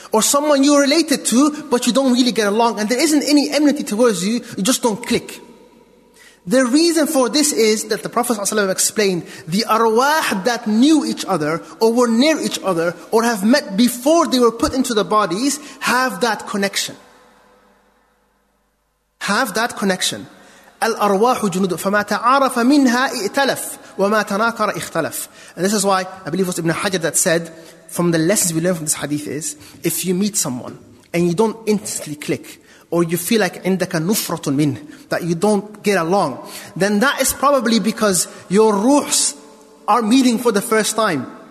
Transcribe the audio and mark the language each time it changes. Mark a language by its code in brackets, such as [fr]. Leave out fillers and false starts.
[en] Or someone you're related to, but you don't really get along, and there isn't any enmity towards you, you just don't click. The reason for this is that the Prophet ﷺ explained, the arwah that knew each other, or were near each other, or have met before they were put into the bodies, have that connection. Have that connection. [ar] الأرواح جنود فما تعارف منها ائتلف وما تناكر اختلف. [en] And this is why I believe it was Ibn Hajar that said, from the lessons we learn from this hadith is, if you meet someone and you don't instantly click, or you feel like [ar] عندك نفرة منه, [en] that you don't get along, then that is probably because your ruhs are meeting for the first time.